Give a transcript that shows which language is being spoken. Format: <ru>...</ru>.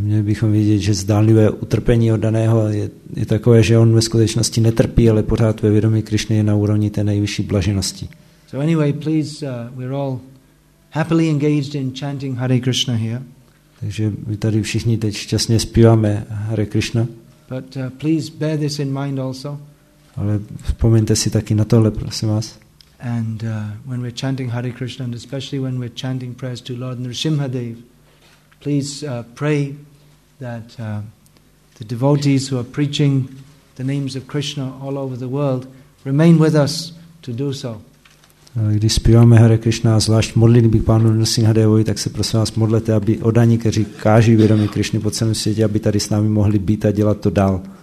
<cs>měli bychom vědět, že zdánlivé utrpení oddaného je takové, že on ve skutečnosti netrpí, ale pořád ve vědomí Krišny je na úrovni té nejvyšší blaženosti.</cs> <en>So anyway, please, we're all happily engaged in chanting Hare Krishna here.</en> <cs>Takže my tady všichni teď šťastně zpíváme Hare Krishna.</cs> <en>But please bear this in mind also.</en> <cs>Ale vzpomeňte si taky na tohle, prosím vás.</cs> <en>And when we're chanting Hare Krishna, and especially when we're chanting prayers to Lord Nrsimhadev, please pray that the devotees who are preaching the names of Krishna all over the world remain with us to do so.</en> <cs>Když zpíváme Hare Krishna a zvlášť modlili bych pánu Nrsimhadevovi, tak se prosím vás modlete, aby oddaní, kteří káží vědomí Krišny po celém světě, aby tady s námi mohli být a dělat to dál.</cs>